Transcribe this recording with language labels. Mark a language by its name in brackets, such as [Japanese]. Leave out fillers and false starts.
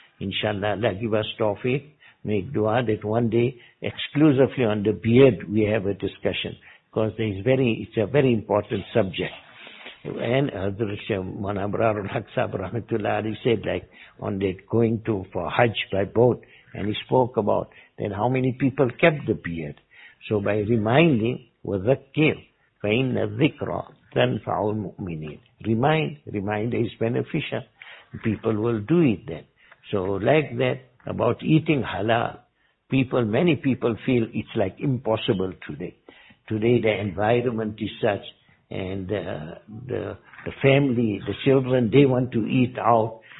[English] Inshallah, Allah give us tawfiq, make dua that one day exclusively on the beard we have a discussion. Because it's a very important subject. And Hazrat Maulana Abrar Al-Haq Sahib Rahmatullah Ali said, like, on that going to for Hajj by boat, and he spoke about then how many people kept the beard. So by reminding, [Arabic] وَذَكِّرْ فَإِنَّ الذِّكْرَ تَنْفَعُ الْمُؤْمِنِينَ. [English] Reminder is beneficial. People will do it then. So like that, about eating halal, many people feel it's like impossible today. Today the environment is such, and the family, the children, they want to eat out.